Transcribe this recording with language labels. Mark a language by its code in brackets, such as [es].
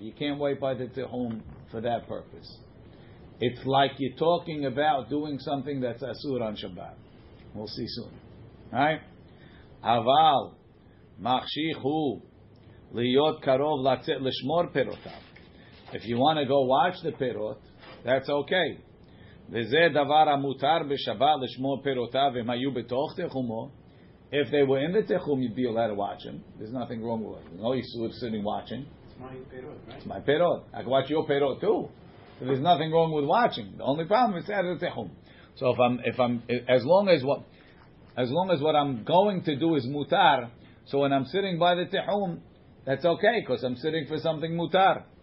[en] You can't wait by the tehum for that purpose. It's like you're talking about doing something that's asur on Shabbat. We'll see soon. Right? [he] Aval machshich hu liyot karov latzit l'shmor perotav. [en] If you want to go watch the perot, that's okay. [he] וזה דבר המותר בשבת לשמור פירותיו אם היו בתוך תחומו. [en] If they were in the tehum, you'd be allowed to watch them. There's nothing wrong with it. No, you're sitting watching. It's my perot, right? It's my perot. I can watch your perot too. So there's nothing wrong with watching. The only problem is out of the tehum. So as long as what I'm going to do is mutar, so when I'm sitting by the tehum, that's okay, because I'm sitting for something mutar.